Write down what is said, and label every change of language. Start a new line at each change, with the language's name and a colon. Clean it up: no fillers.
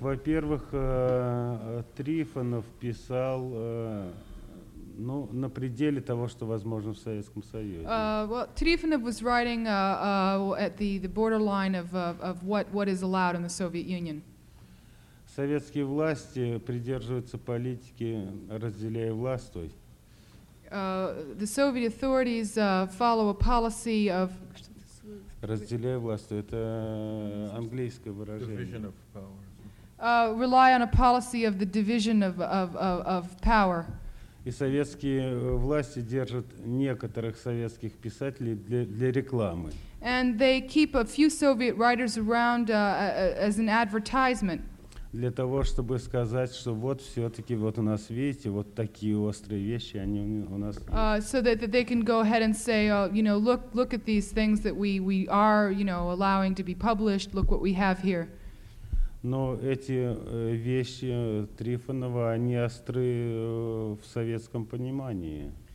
Russian: Во-первых, Трифонов писал ну, на пределе того, что возможно в Советском Союзе.
English: Well, Трифонов was writing at the borderline of what is allowed in the Soviet Union.
Russian: Советские власти придерживаются политики разделяя властвуй.
English: The Soviet authorities follow a policy of
Russian: разделяя власть, это английское выражение.
English: Rely on a policy of the division of power.
Russian: И советские власти держат некоторых советских писателей для рекламы.
English: And they keep a few Soviet writers around as an advertisement.
Russian: Для того, чтобы сказать, что вот все-таки вот у нас, видите, вот такие острые вещи, они у нас есть.
English: So that they can go ahead and say, you know, look at these things that we are, you know, allowing to be published, look what we have here.
Russian: Но эти вещи Трифонова, они острые в советском понимании.